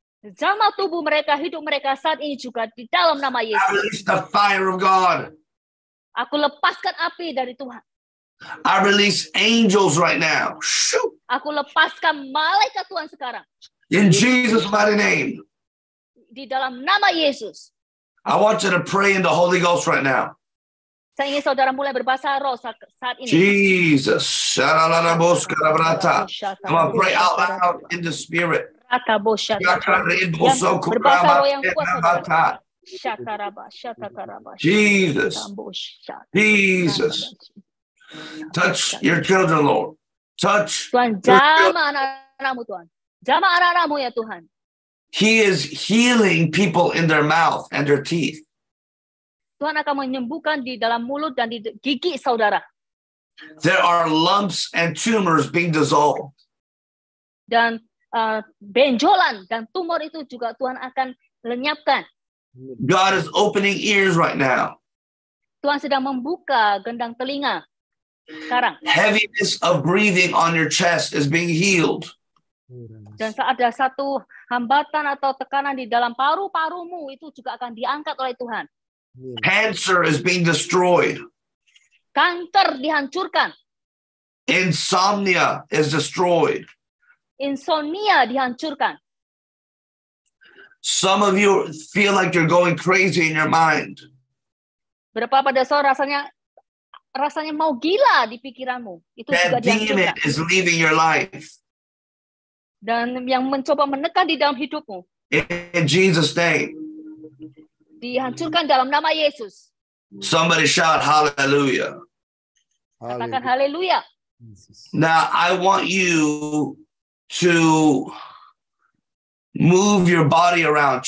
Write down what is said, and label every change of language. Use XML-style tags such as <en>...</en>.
<id>Jamah tubuh mereka, hidup mereka saat ini juga di dalam nama Yesus.</id> <en>I release the fire of God.</en> <id>Aku lepaskan api dari Tuhan.</id> <en>I release angels right now. Shoo.</en> <id>Aku lepaskan malaikat Tuhan sekarang.</id> <en>In Jesus' mighty name.</en> <id>Di dalam nama Yesus.</id> <en>I want you to pray in the Holy Ghost right now.</en> <id>Saya ingin saudara mulai berbahasa roh saat ini.</id> <en>Jesus. Shalala bos karabrata. Come on, pray out loud in the spirit. Rata bos shakarabrata. Jesus. Jesus. Touch your children, Lord. Touch.</en> <id>Tuhan, jama anak-anakmu, Tuhan. Jama anak-anakmu, ya Tuhan.</id> <en>He is healing people in their mouth and their teeth.</en> <id>Tuhan akan menyembuhkan di dalam mulut dan di gigi saudara.</id> <en>There are lumps and tumors being dissolved.</en> <id>Dan benjolan dan tumor itu juga Tuhan akan lenyapkan.</id> <en>God is opening ears right now.</en> <id>Tuhan sedang membuka gendang telinga. Sekarang.</id> <en>Heaviness of breathing on your chest is being healed.</en> <id>Dan ada satu hambatan atau tekanan di dalam paru-parumu itu juga akan diangkat oleh Tuhan.</id> <en>Cancer is being destroyed.</en> <id>Kanker dihancurkan.</id> <en>Insomnia is destroyed.</en> <id>Insomnia dihancurkan.</id> <en>Some of you feel like you're going crazy in your mind.</en> <id>Berapa pada saya rasanya mau gila di pikiranmu. Itu</id> <en>that</en> <id>juga</id> <en>demon</en> <id>dihancurkan.</id> <en>Is leaving your life.</en> <id>Dan yang mencoba menekan di dalam hidupmu.</id> <en>In Jesus' name.</en> <id>Dihancurkan dalam nama Yesus.</id> <en>Somebody shout hallelujah. Hallelujah.</en> <id>Katakan hallelujah.</id> <en>Now I want you to move your body around.</en>